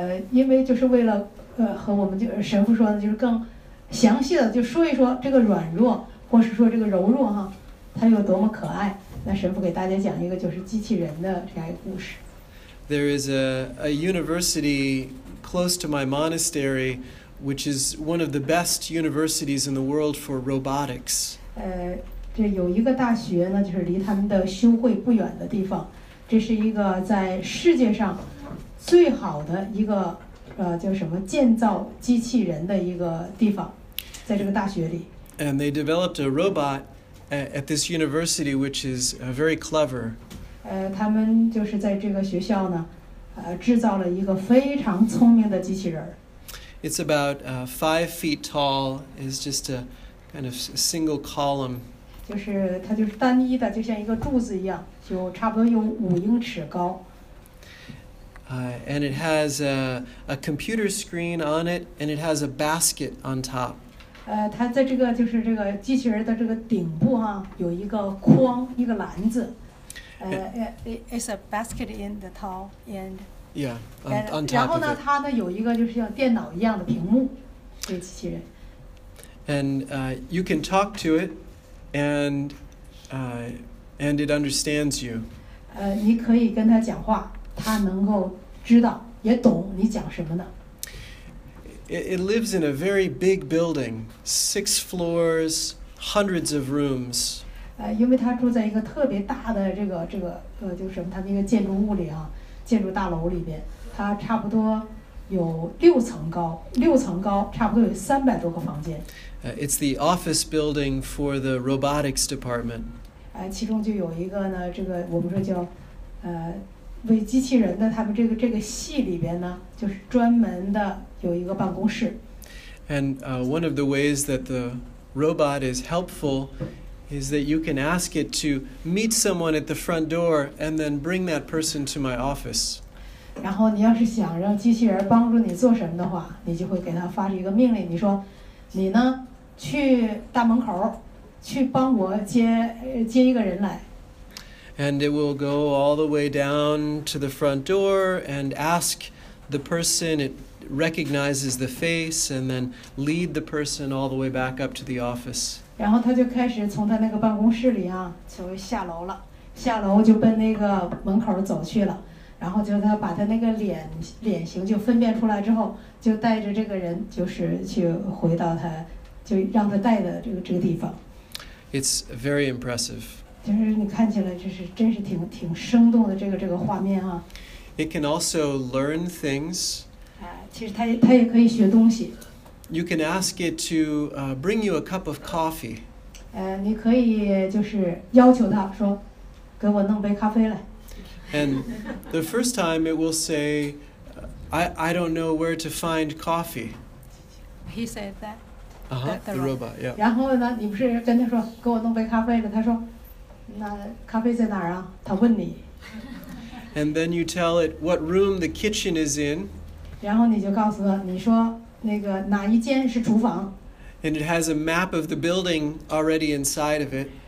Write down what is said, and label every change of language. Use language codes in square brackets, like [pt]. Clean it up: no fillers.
[zh] 因为就是为了和我们就神父说的，就是更详细的就说一说这个软弱或是说这个柔弱哈，它有多么可爱。那神父给大家讲一个就是机器人的这样一个故事。 [en] There is a university close to my monastery, which is one of the best universities in the world for robotics. [zh] 这有一个大学呢，就是离他们的修会不远的地方。这是一个在世界上最好的一个叫什么建造机器人的一个地方，在这个大学里。 [en] And they developed a robot at this university, which is very clever. [zh] 他们就是在这个学校呢，制造了一个非常聪明的机器人。 [en] It's about 5 feet tall. It's just a kind of single column. [zh] 就是它就是单一的，就像一个柱子一样，就差不多有5英尺高。 [en] And it has a computer screen on it, and it has a basket on top. [zh] 它在这个就是这个机器人的这个顶部啊，有一个筐，一个篮子。 [en] It's a basket in the tall end. Yeah, on top of it. [zh] 然后呢，它呢有一个就是像电脑一样的屏幕，这个机器人。 [en] And you can talk to it, and it understands you. [zh] 你可以跟它讲话，它能够知道，也懂你讲什么呢。 [en] It lives in a very big building, 6 floors, hundreds of rooms. [zh] 因为它住在一个特别大的这个就是什么，它那个建筑物里啊，建筑大楼里边，它差不多有六层高，差不多有300多个房间。 [en] It's the office building for the robotics department. [zh] 其中就有一个呢，这个我们说叫为机器人的，他们这个系里边呢，就是专门的有一个办公室。 [en] And one of the ways that the robot is helpful is that you can ask it to meet someone at the front door and then bring that person to my office. [zh] 然后你要是想让机器人帮助你做什么的话，你就会给他发出一个命令，你说你呢去大门口去帮我接一个人来。 [en] And it will go all the way down to the front door and ask the person, it recognizes the face, and then lead the person all the way back up to the office. [zh] 然后他就开始从他那个办公室里啊，就下楼了，下楼就奔那个门口走去了。然后就他把他那个脸型就分辨出来之后，就带着这个人就是去回到他，就让他带的这个地方。 [en] It's very impressive. [zh] 就是你看起来就是真是挺生动的这个画面啊。 [en] It can also learn things. [zh] 其实它也可以学东西。 [en] You can ask it to bring you a cup of coffee. [zh] 你可以就是要求它说，给我弄杯咖啡来。 [en] And the first time it will say, I don't know where to find coffee. He said that. The robot, yeah. [zh] 然后呢，你不是跟他说给我弄杯咖啡了？他说。那咖啡在哪儿啊？他问你。 [en] And then you tell it what room the kitchen is in. [zh] 然后你就告诉他，你说那个哪一间是厨房。 [en] And it has a map of the building already inside of it.